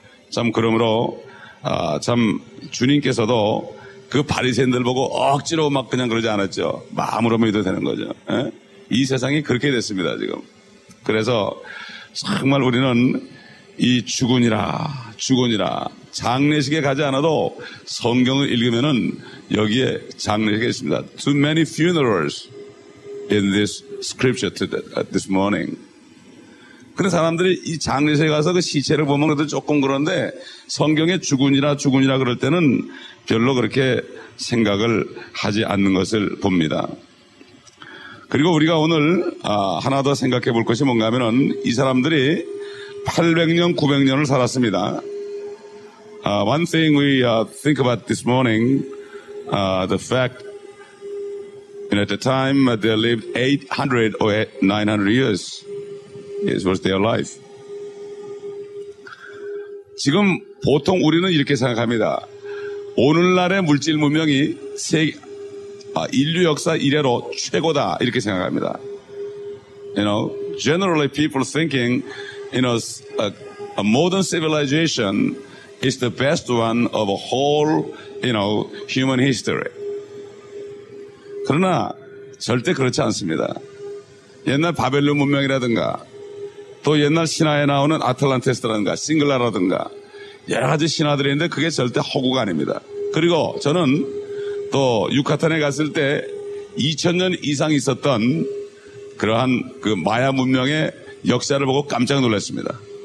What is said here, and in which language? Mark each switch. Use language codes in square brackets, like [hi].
[ko] 참 그러므로 참 주님께서도 그 바리새인들 보고 억지로 막 그냥 그러지 않았죠. 마음으로 믿어도 되는 거죠. 에? 이 세상이 그렇게 됐습니다 지금. 그래서 정말 우리는 이 죽으니라 장례식에 가지 않아도 성경을 읽으면은 여기에 장례식에 있습니다. [en] Too many funerals in this scripture this morning. [ko] 그런 사람들이 이 장례식에 가서 그 시체를 보면 그래도 조금 그런데 성경에 죽으니라 그럴 때는 별로 그렇게 생각을 하지 않는 것을 봅니다. 그리고 우리가 오늘 하나 더 생각해 볼 것이 뭔가 하면은 이 사람들이 800년, 900년을 살았습니다. [en] One thing we think about this morning, the fact that at the time they lived 800 or 900 years. It was their life. [ko] 지금 보통 우리는 이렇게 생각합니다. 오늘날의 물질 문명이 인류 역사 이래로 최고다 이렇게 생각합니다. [en] You know, generally people thinking, you know, a modern civilization is the best one of a whole, you know, human history. [ko] 그러나 절대 그렇지 않습니다. 옛날 바벨론 문명이라든가 또 옛날 신화에 나오는 아틀란티스라든가 싱글라라든가 여러 가지 신화들이 있는데 그게 절대 허구가 아닙니다. 그리고 저는 또 유카탄에 갔을 때 2000년 이상 있었던 그러한 그 마야 문명의 역사를 보고 깜짝 놀랐습니다.